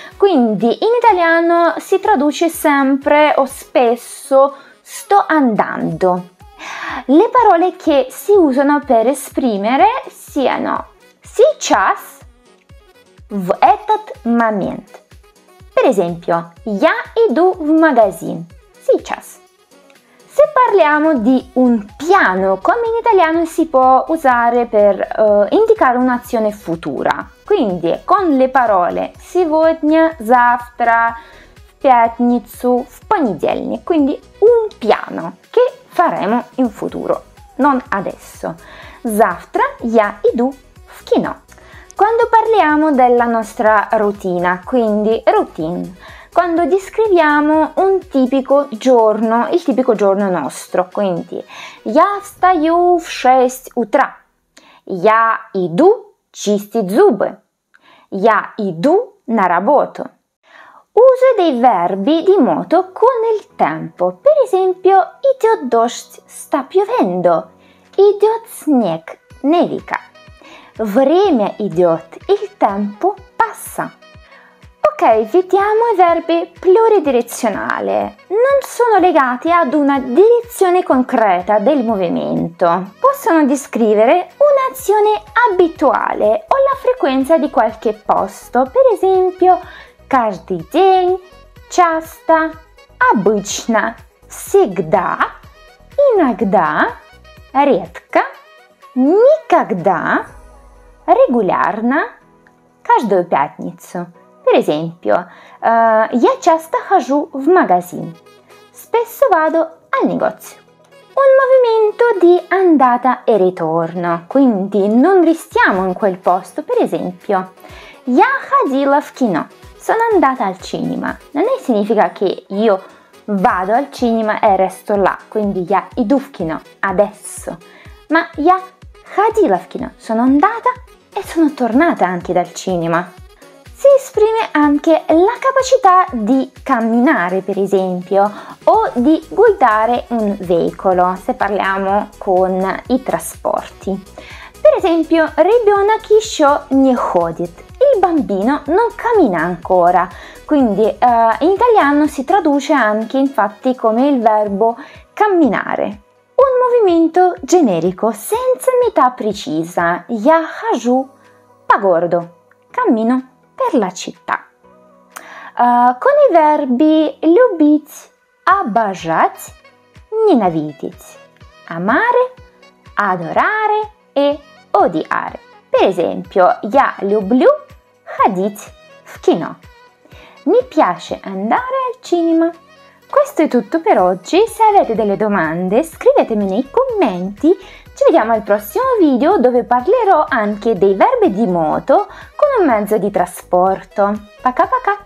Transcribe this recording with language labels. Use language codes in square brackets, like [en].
[it] Quindi in italiano si traduce sempre o spesso sto andando. Le parole che si usano per esprimere siano [ru] сейчас, в этот момент. [it] Per esempio, [ru] я иду в магазин. Сейчас. [it] Se parliamo di un piano, come in italiano si può usare per indicare un'azione futura. Quindi con le parole [ru] сегодня, завтра, в пятницу, в понедельник, [it] quindi un piano che faremo in futuro, non adesso. [ru] Завтра я иду в кино. [it] Quando parliamo della nostra routine, quindi routine. Quando descriviamo un tipico giorno, il tipico giorno nostro, quindi [ru] я встаю в 6 утра, я иду чистить зубы, я иду на работу. [it] Uso dei verbi di moto con il tempo, per esempio [ru] идет дождь, [it] sta piovendo, [ru] идет снег, [it] nevica. [ru] Время идет, [it] il tempo passa. Ok, vediamo i verbi pluridirezionali. Non sono legati ad una direzione concreta del movimento. Possono descrivere un'azione abituale o la frequenza di qualche posto, per esempio [ru] каждый день, часто, обычно, всегда, иногда, редко, никогда, регулярно, каждую пятницу. [it] Per esempio, [ru] я часто хожу в магазин. [it] Spesso vado al negozio. Un movimento di andata e ritorno, quindi non restiamo in quel posto. Per esempio, [ru] я ходила в кино. [it] Sono andata al cinema. Non è significa che io vado al cinema e resto là, quindi [ru] я иду в кино [it] adesso. Ma [ru] я ходила в кино. [it] Sono andata e sono tornata anche dal cinema. Si esprime anche la capacità di camminare, per esempio, o di guidare un veicolo, se parliamo con i trasporti. Per esempio, [ru] ребенок еще не ходит. [it] Il il bambino non cammina ancora. Quindi in italiano si traduce anche infatti come il verbo camminare. Un movimento generico, senza metà precisa. [ru] Я хожу по городу. [it] Cammino per la città. Con i verbi [ru] любить, обожать, ненавидеть. [it] Amare, adorare e odiare. Per esempio, [ru] я люблю ходить в кино. [it] Mi piace andare al cinema. Questo è tutto per oggi. Se avete delle domande, scrivetemi nei commenti. Ci vediamo al prossimo video, dove parlerò anche dei verbi di moto con un mezzo di trasporto. Paka paka!